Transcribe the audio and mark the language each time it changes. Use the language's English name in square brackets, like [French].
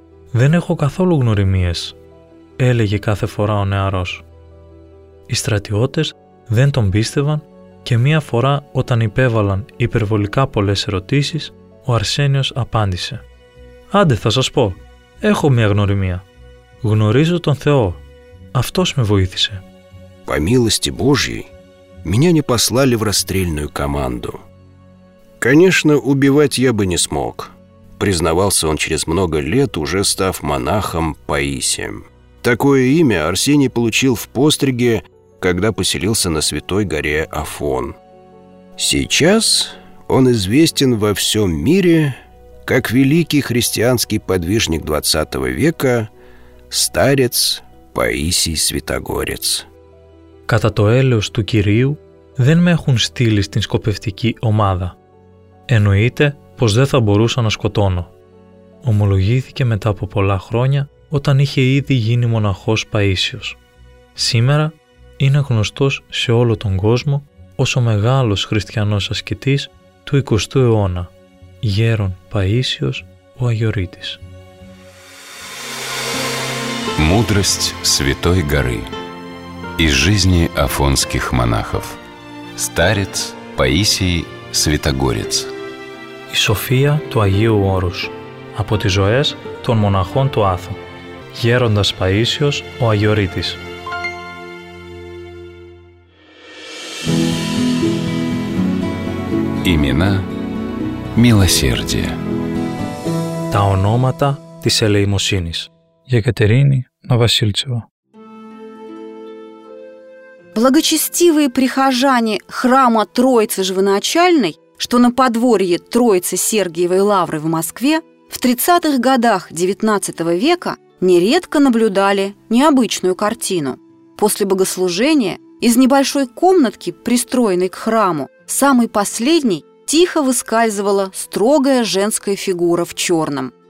[Greek] Δεν έχω καθόλου γνωριμίες, έλεγε κάθε φορά ο νεαρός. Οι στρατιώτες δεν τον πίστευαν και μία φορά όταν υπέβαλαν υπερβολικά πολλές ερωτήσεις, ο Αρσένιος απάντησε: «Άντε θα σας πω, έχω μία γνωριμία. Γνωρίζω τον Θεό. Αυτός με βοήθησε». [Russian] «По милости Божьей, меня не послали в расстрельную команду. Конечно, убивать я бы не смог», — признавался он через много лет, уже став монахом Паисием. Такое имя Арсений получил в постриге, когда поселился на святой горе Афон. Сейчас он известен во всем мире как великий христианский подвижник 20 века, старец Паисий Святогорец. [Greek] κατά το έλεος του Κυρίου, δεν με έχουν στείλει στην σκοπευτική ομάδα. Εννοείται πως δεν θα μπορούσα να σκοτώνω. Ομολογήθηκε μετά από πολλά χρόνια, όταν είχε ήδη γίνει μοναχός Παΐσιος. Σήμερα είναι γνωστός σε όλο τον κόσμο ως ο μεγάλος χριστιανός ασκητής του 20ου αιώνα, γέρον Παΐσιος ο Αγιορείτης. [Russian] Мудрость Святой Горы из жизни афонских монахов. Старец Паисий Святогорец. [Greek] Η Σοφία του Αγίου Όρους από τις ζωές των μοναχών του Άθου. Γέροντας Παΐσιος ο Αγιορείτης. [Russian] Имена милосердия. [Greek] Τα ονόματα της ελεημοσύνης. Για Κατερίνη Новосильцева. [Russian] Благочестивые прихожане храма Троицы Живоначальной, что на подворье Троицы Сергиевой Лавры в Москве, в 30-х годах XIX века нередко наблюдали необычную картину. После богослужения из небольшой комнатки, пристроенной к храму, самой последней, тихо выскальзывала строгая женская фигура в черном.